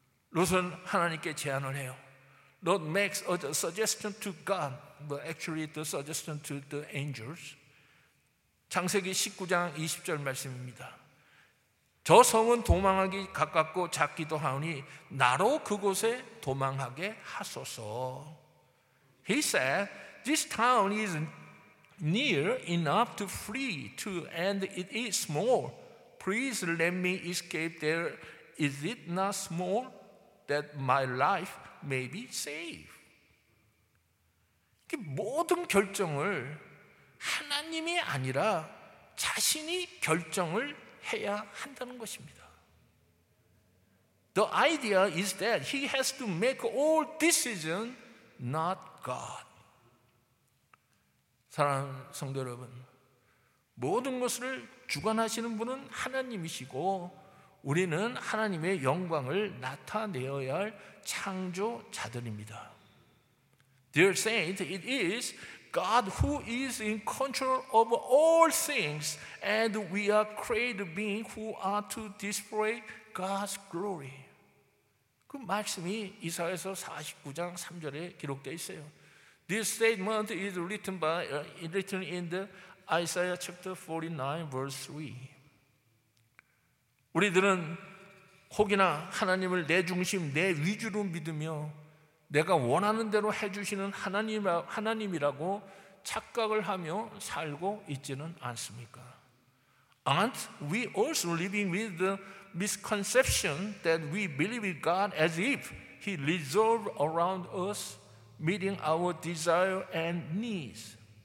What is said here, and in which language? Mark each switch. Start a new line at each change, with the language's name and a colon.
Korean: 롯은 하나님께 제안을 해요.
English: Lot makes a suggestion to God, but actually the suggestion to the angels.
Korean: 창세기 19장 20절 말씀입니다. 저 성은 도망하기 가깝고 작기도 하오니 나로 그곳에 도망하게 하소서.
English: He said, this town is near enough to flee to, and it is small. Please let me escape there. Is it not small that my life may be safe?
Korean: 모든 결정을 하나님이 아니라 자신이 결정을 해야 한다는 것입니다.
English: The idea is that he has to make all decisions, not God.
Korean: 사랑하는 성도 여러분, 모든 것을 주관하시는 분은 하나님이시고 우리는 하나님의 영광을 나타내어야 할 창조자들입니다.
English: Dear saint, it is God who is in control of all things, and we are created beings who are to display God's glory.
Korean: 그 말씀이 이사야서 49장 3절에 기록되어 있어요.
English: This statement is written written in the Isaiah chapter 49 verse 3.
Korean: 우리들은 혹이나 하나님을 내 중심, 내 위주로 믿으며 내가 원하는 대로 해주시는 하나님이라고 착각을 하며 살고 있지는 않습니까?
English: Aren't we also living with the misconception that we believe in God as if He resolves around us, meeting our desire and needs?